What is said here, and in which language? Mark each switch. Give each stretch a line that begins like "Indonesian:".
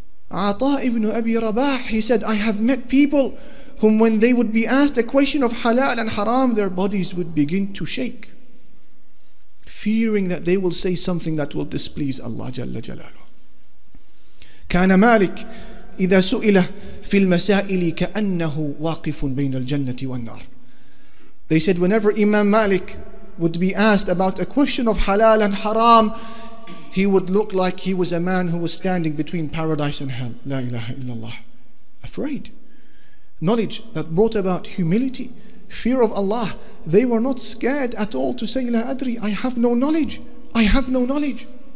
English: عطاء ابن أبي رباح, he said, I have met people whom when they would be asked a question of halal and haram, their bodies would begin to shake, fearing that they will say something that will displease Allah Jalla Jalaluhu.
Arabic: كان مالك إذا سئل في المسائل كأنه واقف بين الجنة والنار.
English: They said, whenever Imam Malik would be asked about a question of halal and haram, he would look like he was a man who was standing between paradise and hell. La ilaha illallah. Afraid. Knowledge that brought about humility, fear of Allah. They were not scared at all to say, La adri, I have no knowledge. I have no knowledge.